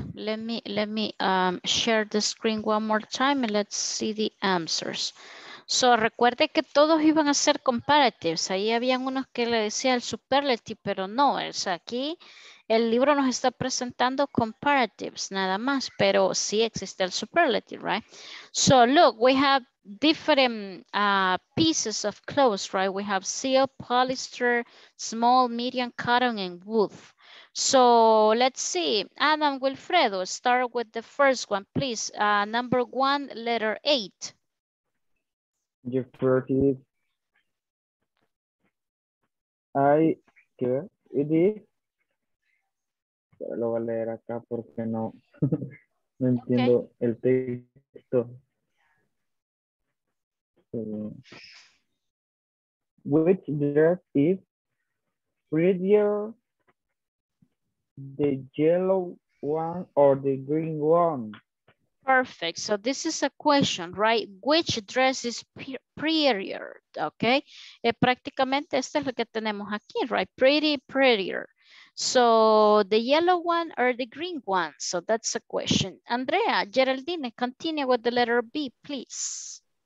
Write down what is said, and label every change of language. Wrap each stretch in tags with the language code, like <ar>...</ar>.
<en>Let me share the screen one more time and let's see the answers.</en> <es>So recuerde que todos iban a ser comparatives. Ahí habían unos que le decía el superlative, pero no, es aquí el libro nos está presentando comparatives nada más, pero sí existe el superlative, right?</es> <en>So look, we have different pieces of clothes, right? We have silk, polyester, small, medium, cotton, and wool. So let's see. Adam, Wilfredo, start with the first one, please. Number one, letter eight. Your first is. It is.</en> <es>Pero lo voy a leer acá porque no, no entiendo okay. El texto.</es> <en>Which dress is prettier, the yellow one or the green one? Perfect. So this is a question, right? Which dress is prettier? Okay.</en> <es>Prácticamente este es lo que tenemos aquí, right?</es> <en>Pretty, prettier. So the yellow one or the green one? So that's a question. Andrea, Geraldine, continue with the letter B, please.</en>